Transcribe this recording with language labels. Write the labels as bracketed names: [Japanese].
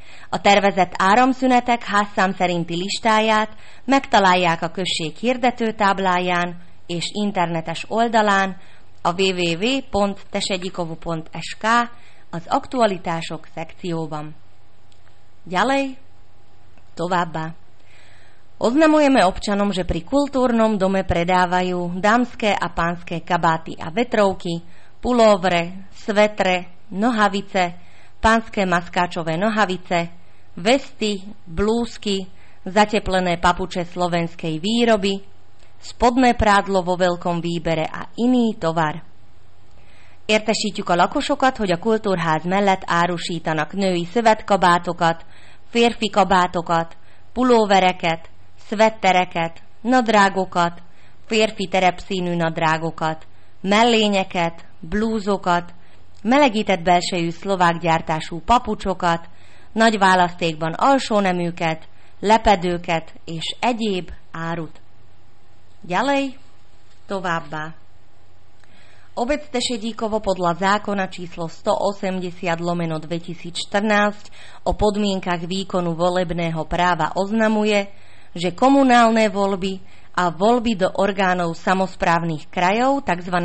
[Hungarian] A tervezett áramszünetek házszám szerinti listáját megtalálják a község hirdetőtábláján és internetes oldalán a www.tesegyikovu.sk az aktualitások szekcióban. [Slovak] Ďalej! [Hungarian] Továbbá. [Slovak] Oznamujeme občanom, že pri kultúrnom dome predávajú dámske a pánske kabáty a vetrovky, pulóvre, svetre, nohavice, pánske maskáčové nohavice, vesty, blúzky, zateplené papuče slovenskej výroby, spodné prádlo vo veľkom výbere a iný tovar. [Hungarian] Értesítjük a lakosokat, hogy a kultúrház mellett árusítanak női szövetkabátokat, férfi kabátokat, pulóvereket, szvettereket, nadrágokat, férfi terepszínű nadrágokat, mellényeket, blúzokat, melegített belsejű szlovák gyártású papucsokat, nagy választékban alsóneműket, lepedőket és egyéb árut. [Slovak] Ďalej, [Hungarian] továbbá. [Slovak] Obec Tešedíkovo podľa zákona číslo 180/2014 o podmienkach výkonu volebného práva oznamuje, že komunálne voľby a voľby do orgánov samosprávnych krajov, tzv.